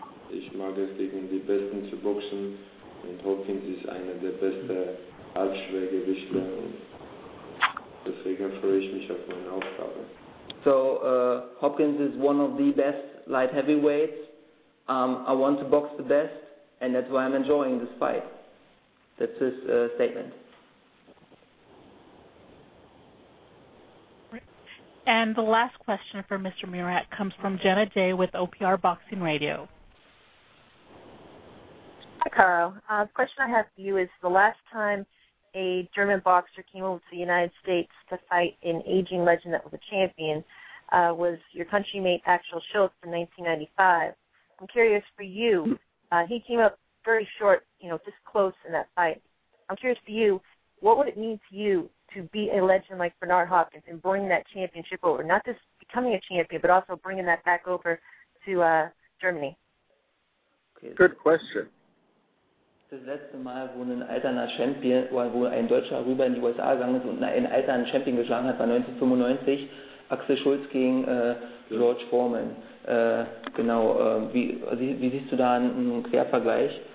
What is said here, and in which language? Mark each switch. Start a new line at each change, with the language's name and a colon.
German: Ich mag es, gegen die Besten zu boxen, und Hopkins ist einer der besten Halbschwergewichte. Deswegen freue ich mich auf meine Aufgabe.
English: So Hopkins is one of the best light heavyweights. I want to box the best, and that's why I'm enjoying this fight. That's his statement. And the last question for Mr. Murat comes from Jenna Day with OPR Boxing Radio. Hi, Carl. The question I have for you is, the last time a German boxer came over to the United States to fight an aging legend that was a champion was your countrymate Axel Schultz in 1995. I'm curious for you. He came up very short, you know, just close in that fight. I'm curious for you, what would it mean to you to be a legend like Bernard Hopkins and bring that championship over, not just becoming a champion, but also bringing that back over to Germany? Good question.
German: Das letzte Mal, wo ein alter Champion, wo ein Deutscher rüber in die USA gegangen ist und einen alten Champion geschlagen hat, war 1995, Axel Schultz gegen George Foreman. Genau, wie siehst du da einen Quervergleich?